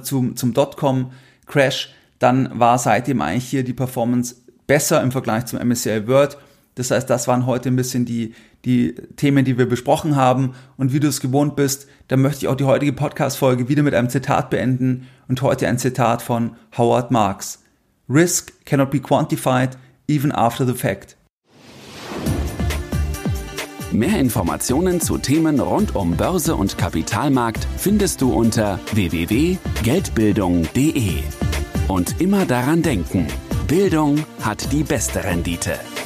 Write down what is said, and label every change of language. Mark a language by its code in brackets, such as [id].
[de] zum Dotcom-Crash, dann war seitdem eigentlich hier die Performance besser im Vergleich zum MSCI World. Das heißt, das waren heute ein bisschen die Themen, die wir besprochen haben. Und wie du es gewohnt bist, dann möchte ich auch die heutige Podcast-Folge wieder mit einem Zitat beenden. Und heute ein Zitat von Howard Marks. [en] Risk cannot be quantified even after the fact. [de] Mehr Informationen zu Themen rund um Börse und Kapitalmarkt findest du unter www.geldbildung.de. Und immer daran denken, Bildung hat die beste Rendite.